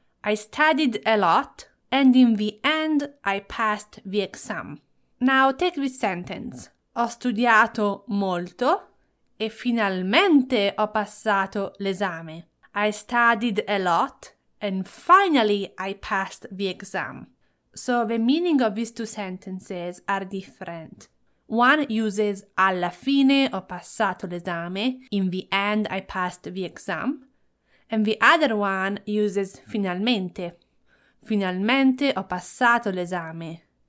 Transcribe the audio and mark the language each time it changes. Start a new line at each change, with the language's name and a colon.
English: I studied a lot and in the end I passed the exam. Now take this sentence.
Italian: Ho studiato molto e finalmente ho passato l'esame.
English: I studied a lot and finally I passed the exam. So the meaning of these two sentences are different. One uses
Italian: alla fine ho passato l'esame,
English: in the end I passed the exam. And the other one uses finalmente.
Italian: Finalmente ho passato l'esame.